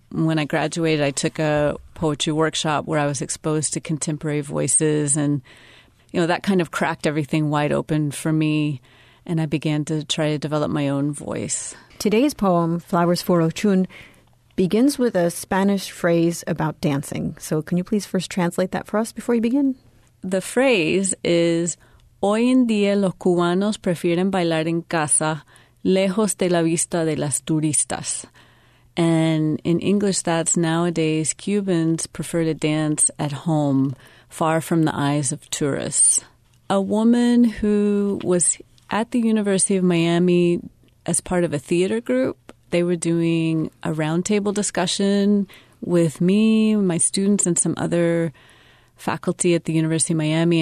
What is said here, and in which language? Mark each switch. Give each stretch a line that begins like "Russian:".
English: When I graduated, I took a poetry workshop where I was exposed to contemporary voices, and you know, that kind of cracked everything wide open for me. And I began to try to develop my own voice. Today's poem, Flowers for Ochun, begins with a Spanish phrase about dancing. So can you please first translate that for us before you begin? The phrase is,
Spanish: hoy en día los cubanos prefieren bailar en casa, lejos de la vista de las turistas.
English: And in English, that's nowadays Cubans prefer to dance at home, far from the eyes of tourists. A woman who was at the University of Miami, as part of a theater group, they were doing a roundtable discussion with me, my students, and some other faculty at the University of Miami.